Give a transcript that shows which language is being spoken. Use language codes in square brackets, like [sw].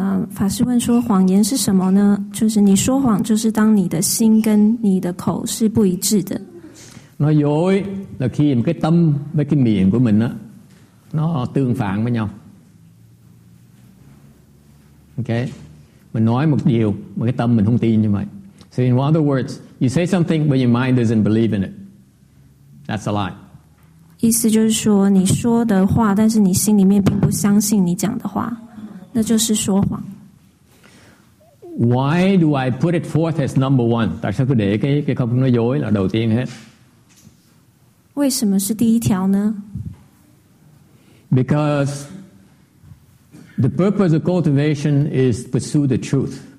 [zh] 法师问说谎言是什么呢？就是你说谎，就是当你的心跟你的口是不一致的。 [vi] Nói dối là khi cái tâm với cái miệng của mình nó tương phản với nhau. Ok, mình nói một điều mà cái tâm mình không tin như vậy. [en] So in other words, you say something but your mind doesn't believe in it. That's a lie. [zh] 意思就是说，你说的话，但是你心里面并不相信你讲的话，那就是说谎。 [en] Why do I put it forth as number one? [zh] 但是给给给客户说有了，首先是。为什么是第一条呢？ [en] Because the purpose of cultivation is pursue the truth.